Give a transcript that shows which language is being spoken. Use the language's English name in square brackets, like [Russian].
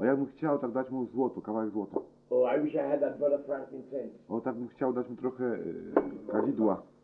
[Polish] O, ja bym chciał tak dać mu złoto, kawałek złota. [English] Oh, I wish I had that brother frankincense. [Polish] O, tak bym chciał dać mu trochę kadzidła.